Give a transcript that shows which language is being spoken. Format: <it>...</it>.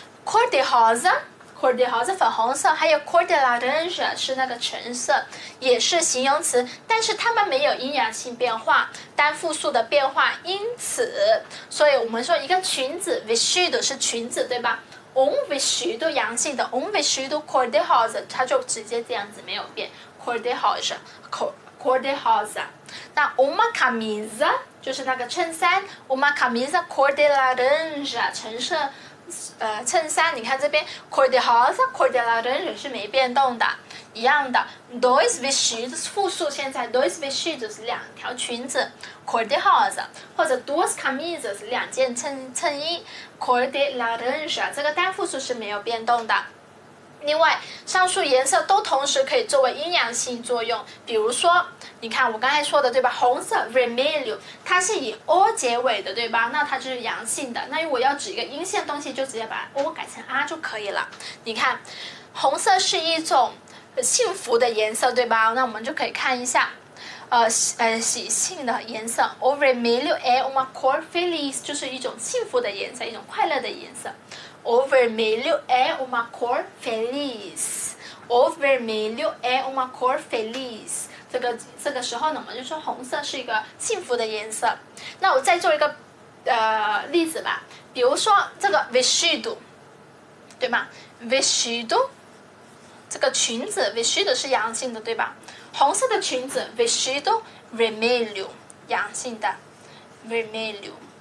<zh>cor de rosa， cor de rosa 粉红色，还有 cor de laranja 是那个橙色，也是形容词，但是它们没有阴阳性变化，单复数的变化，因此，所以我们说一个裙子 vestido 是裙子，对吧？ un vestido 阳性的</zh> <pt>un vestido cor de rosa</pt> <zh>它就直接这样子没有变 cor de rosa cor de rosa。那 una camisa 就是那个衬衫</zh> <pt>una camisa cor de laranja</pt> <zh>橙色衬衫，你看这边 cor de rosa cor de laranja 是没变动的，一样的 dos vestidos 复数，现在 dos vestidos 两条裙子 cor de rosa， 或者 dos camisas 两件衬衣 cor de laranja， 这个单复数是没有变动的。另外上述颜色都同时可以作为阴阳性作用，比如说你看我刚才说的对吧，红色 vermelho 它是以 o 结尾的对吧，那它就是阳性的，那如果要指一个阴性的东西就直接把 o 改成 r 就可以了。你看红色是一种幸福的颜色对吧，那我们就可以看一下喜庆的颜色</zh> <pt>o vermelho é uma cor feliz，</pt> <zh>就是一种幸福的颜色，一种快乐的颜色。</zh> <pt>O vermelho é uma cor feliz. O vermelho é uma cor feliz.</pt> <zh>这个时候呢，我们就说红色是一个幸福的颜色。那我再做一个例子吧，比如说这个 vestido， 对吗 ？vestido， 这个裙子 vestido 是阳性的，对吧？红色的裙子 vestido vermelho 阳性的 vermelho。</zh>